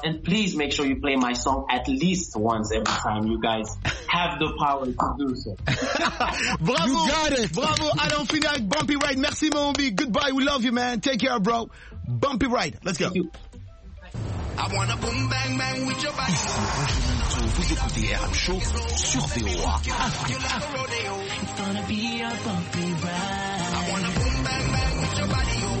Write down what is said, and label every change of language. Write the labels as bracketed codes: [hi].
[en] And please make sure you play my song at least once every time you guys have the power to do so. Bravo! You got it! Bravo! I don't feel like Bumpy Ride. Merci, Mombi. Goodbye. We love you, man. Take care, bro. Bumpy Ride. Let's go. Thank you. I wanna boom bang bang with your body. [fr] Ici Roger Minto, vous écoutez RM Show sur VOA. [en] It's gonna be a bumpy ride. I wanna boom bang bang with your body.